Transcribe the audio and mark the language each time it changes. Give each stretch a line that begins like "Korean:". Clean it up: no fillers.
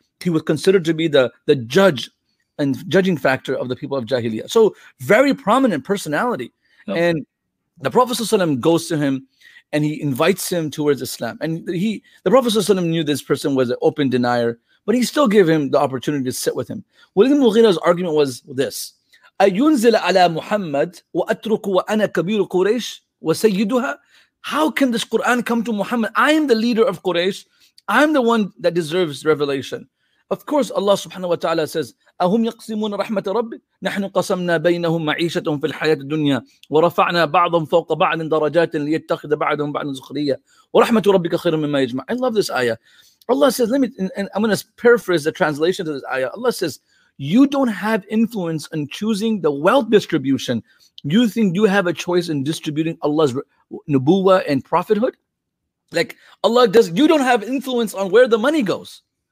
English: He was considered to be the judge and judging factor of the people of Jahiliyyah. So very prominent personality. Yep. And the Prophet ﷺ goes to him and he invites him towards Islam. And the Prophet ﷺ knew this person was an open denier, but he still gave him the opportunity to sit with him. Walid Mughira's argument was this:
Arabic: أَيُنزِلَ عَلَى مُحَمَّدْ وَأَتْرُكُ وَأَنَا كَبِيرُ قُرَيْشِ وَسَيِّدُهَا.
English: How can this Quran come to Muhammad? I am the leader of Quraysh. I'm the one that deserves revelation. Of course, Allah subhanahu wa ta'ala says,
Arabic: أَهُمْ يَقْسِمُونَ رَحْمَةَ رَبِّ نَحْنُ قَسَمْنَا بَيْنَهُمْ مَعِيشَتُهُمْ فِي الْحَيَاةِ الدُّنْيَا وَرَفَعْنَا بَعْضًا فَوْقَ بَعْضٍ دَرَجَاتٍ لِيَتَّخِذَ بَعْضُهُمْ بَعْضًا زُخْرِيَّةً وَرَحْمَةُ رَبِّكَ خَيْرٌ مِمَّا يَجْمَعُونَ.
English: I love this ayah. Allah says, and I'm going to paraphrase the translation to this ayah. Allah says, you don't have influence in choosing the wealth distribution. You think you have a choice in distributing Allah's nubuwa and prophethood? Like Allah does, you don't have influence on where the money goes.